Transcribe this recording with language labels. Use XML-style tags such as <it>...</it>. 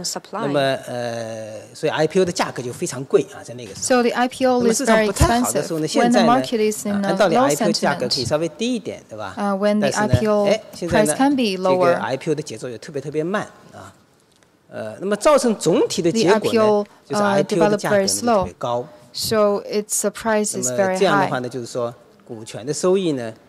<zh>那么所以 IPO 的价格就非常贵啊，在那个时候。</zh> <en>So the IPO is very expensive. When the market is in a low sentiment,</en> <zh>按道理</zh> <en>IPO</en> <zh>价格可以稍微低一点，对吧？</zh> <en>When the IPO price can be lower.</en> <zh>这个 IPO 的节奏又特别慢啊。那么造成总体的结果呢，就是 IPO 的价格特别高。</zh> <en>So its price is very high.</en> <zh>那么这样的话呢，就是说股权的收益呢，</zh>